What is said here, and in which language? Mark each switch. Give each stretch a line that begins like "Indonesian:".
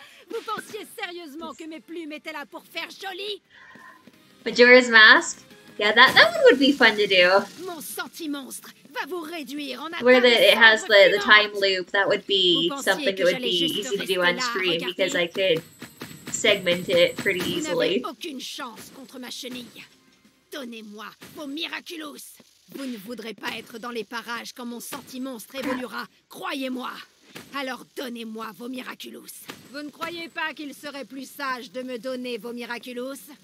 French: Vous pensiez sérieusement que mes plumes étaient là pour faire joli?
English: Majora's Mask? Yeah, that one would be fun to do.
French: Mon sentimonstre va vous réduire en attaque.
English: Where it has the time loop, that would be something that would be easy to do on screen because I could segment it pretty easily.
French: Vous n'avez aucune chance contre ma chenille. Donnez-moi vos Miraculous. Vous ne voudrez pas être dans les parages quand mon sentimonstre évoluera, croyez-moi. Alors donnez-moi vos Miraculous. Vous ne croyez pas qu'il serait plus sage de me donner vos Miraculous?